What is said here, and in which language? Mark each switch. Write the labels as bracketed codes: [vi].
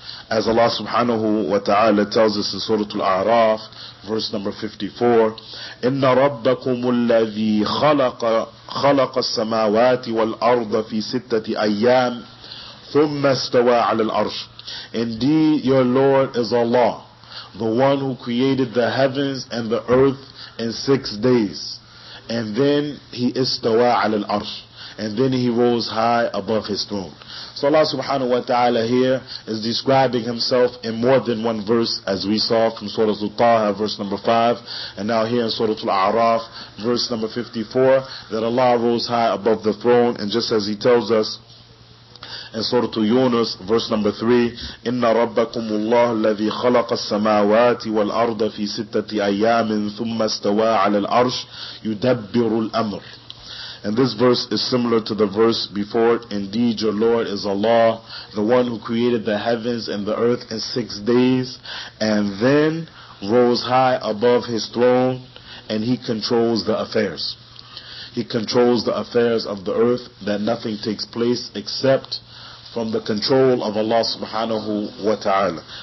[en] As Allah subhanahu wa ta'ala tells us in Surah Al-A'raf, verse number 54, [ar] إِنَّ رَبَّكُمُ الَّذِي خَلَقَ السَّمَاوَاتِ وَالْأَرْضَ فِي سِتَّةِ أَيَّامٍ ثُمَّ اسْتَوَى عَلَى الْأَرْشِ. [en] Indeed, your Lord is Allah, the one who created the heavens and the earth in 6 days. And then He istawa [ar] عَلَى الْأَرْشِ. [en] And then He rose high above His throne. So Allah subhanahu wa ta'ala here is describing Himself in more than one verse, as we saw from Surah Al-Taha, verse number 5. And now here in Surah Al-A'raf, verse number 54, that Allah rose high above the throne. And just as He tells us in Surah Yunus, verse number 3, [ar] إِنَّ رَبَّكُمُ اللَّهُ الَّذِي خَلَقَ السَّمَاوَاتِ وَالْأَرْضَ فِي سِتَّةِ أَيَّامٍ ثُمَّ اسْتَوَى عَلَى الْأَرْشِ يُدَبِّرُ الْأَمْرِ. [en] And this verse is similar to the verse before it. Indeed, your Lord is Allah, the one who created the heavens and the earth in 6 days, and then rose high above his throne, and he controls the affairs. He controls the affairs of the earth, that nothing takes place except from the control of Allah subhanahu wa ta'ala.